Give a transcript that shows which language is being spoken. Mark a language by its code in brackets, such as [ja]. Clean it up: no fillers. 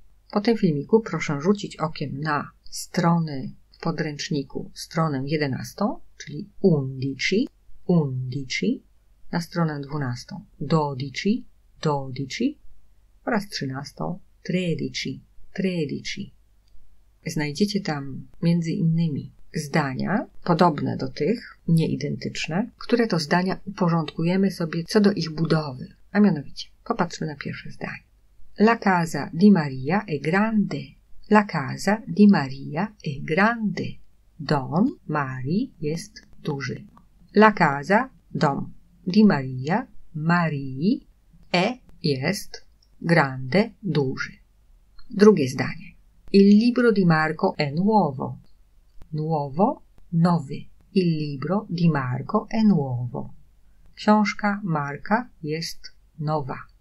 [pl] Po tym filmiku proszę rzucić okiem na stronę w podręczniku, stronę 11, czyli undici, undici, na stronę 12, dodici, dodici, oraz 13, tredici, tredici. Znajdziecie tam między innymi zdania podobne do tych, nieidentyczne, które to zdania uporządkujemy sobie co do ich budowy. A mianowicie, popatrzmy na pierwsze zdanie. [it] La casa di Maria è grande. La casa di Maria è grande. [pl] Dom Marii jest duży. La casa, dom, di Maria, Marii, è, jest, grande, duży. Drugie zdanie. [it] Il libro di Marco è nuovo. Nuovo, nowy. Il libro di Marco è nuovo. [pl] Książka Marka jest nowa.